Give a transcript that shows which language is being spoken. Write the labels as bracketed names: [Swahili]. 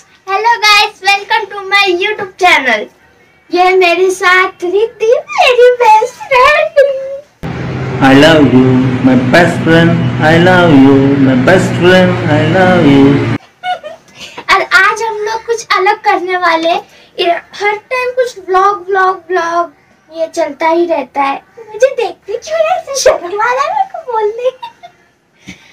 [English] Hello guys, welcome to my YouTube channel. [Hindi] ये मेरे साथ रीति, मेरी best friend. [English] I love you, my best friend. I love you, my best friend. I love you. [Hindi] और आज हम लोग कुछ अलग करने वाले। हर टाइम कुछ व्लॉग व्लॉग व्लॉग ये चलता ही रहता है। मुझे देखते क्यों ऐसे शर्म आ रहा है मेरे को बोलने?